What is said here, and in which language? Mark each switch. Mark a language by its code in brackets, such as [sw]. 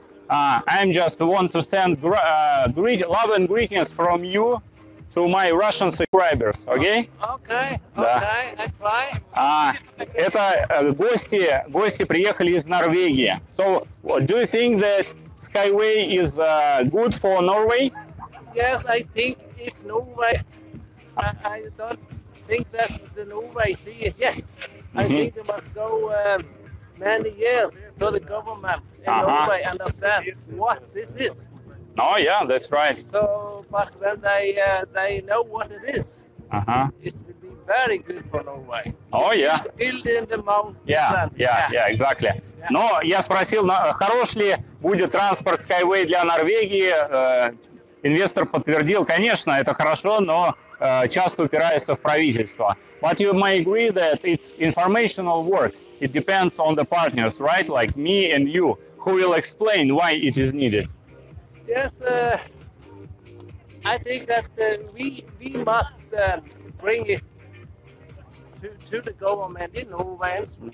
[en] I just want to send love and greetings from you to my Russian subscribers, okay? Okay, I try. [ru] Это гости приехали из Норвегии. [en] So, do you think that Skyway is good for Norway? Yes, I think it's Norway. I don't think that the Norway see it yet. I think it must go many years to the government in Norway understand what this is. Oh yeah, that's right. So, but when they know what it is, it will be very good for Norway. Oh yeah. Building the mountains. Yeah, exactly. Yeah. [ru] Но я спросил, хорош ли будет транспорт Skyway для Норвегии? Инвестор подтвердил, конечно, это хорошо, но часто упирается в правительство. [en] But you may agree that it's informational work. It depends on the partners, right? Like me and you, who will explain why it is needed. Yes, I think that we must bring it to the government in Norway.